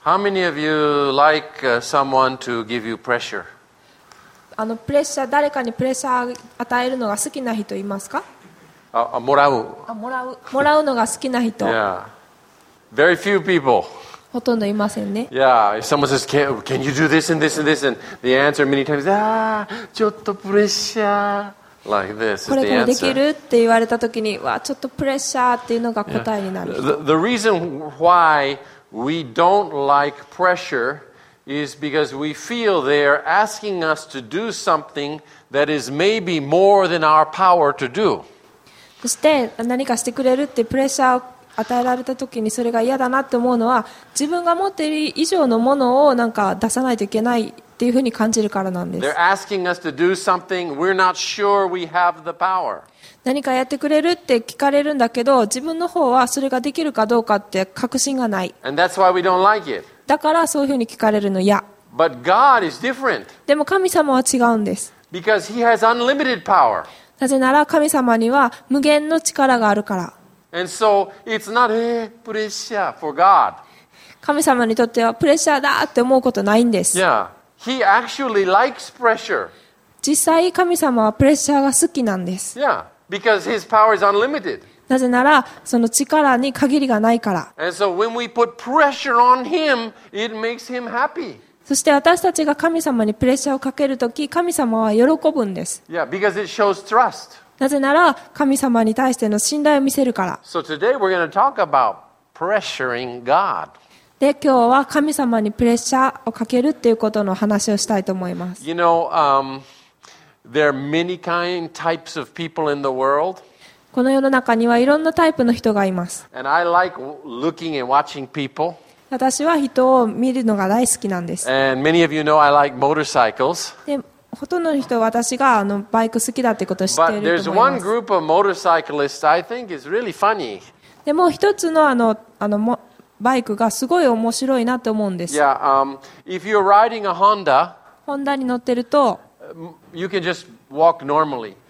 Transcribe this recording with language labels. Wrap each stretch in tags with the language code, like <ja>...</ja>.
<en>How many of you like someone to give you pressure?</en> <ja>あのプレッシャー、誰かにプレッシャー与えるのが好きな人いますか？あ、もらう。あ、もらう。もらうのが好きな人。</ja> <en>Yeah. Very few people.</en> <ja>ほとんどいませんね。</ja> <en>Yeah, if someone says, can you do this and this and this? And the answer many times, ah,</en> <ja>ちょっとプレッシャー。</ja> <en>Like this is the answer.</en> <ja>これできるって言われたときに、わ、ちょっとプレッシャーっていうのが答えになる。</ja> <en>Yeah. The reason why we don't like pressure is because we feel they're asking us to do something that is maybe more than our power to do.</en> <ja>そして何かしてくれるってプレッシャーを与えられたときにそれが嫌だなって思うのは、自分が持っている以上のものをなんか出さないといけないっていうふうに感じるからなんです。</ja> <en>They're asking us to do something we're not sure we have the power.</en> <ja>何かやってくれるって聞かれるんだけど、自分の方はそれができるかどうかって確信がない。</ja> <en>And that's why we don't like it.</en> <ja>だからそういうふうに聞かれるの嫌。</ja> <en>But God is different.</en> <ja>でも神様は違うんです。</ja> <en>Because He has unlimited power.</en> <ja>なぜなら神様には無限の力があるから。</ja> <en>And so it's not a pressure for God.</en> <ja>神様にとってはプレッシャーだって思うことないんです。</ja> <en>Yeah. He actually likes pressure.</en> <ja>実際神様はプレッシャーが好きなんです。</ja> <en>Yeah. Because his power is unlimited.</en> <ja>なぜならその力に限りがないから。</ja> <en>And so when we put pressure on him, it makes him happy.</en> <ja>そして私たちが神様にプレッシャーをかけるとき、神様は喜ぶんです。</ja> <en>Yeah. Because it shows trust.</en> <ja>なぜなら神様に対しての信頼を見せるから。</ja> <en>So today we're going to talk about pressuring God.</en> <ja>で、今日は神様にプレッシャーをかけるっていうことの話をしたいと思います。</ja> <en>You know, there are many kind types of people in the world.</en> <ja>この世の中にはいろんなタイプの人がいます。</ja> <en>And I like looking and watching people.</en> <ja>私は人を見るのが大好きなんです。</ja> <en>And many of you know I like motorcycles.</en> <ja>ほとんどの人は私があのバイク好きだということを知っていると思います。</ja> <en>But there's one group of motorcyclists I think is really funny.</en> <ja>でも一つのあのバイクがすごい面白いなと思うんです。</ja> <en>Yeah, if you're riding a Honda,</en> <ja>ホンダに乗ってると、</ja> <en>you can just walk normally.</en>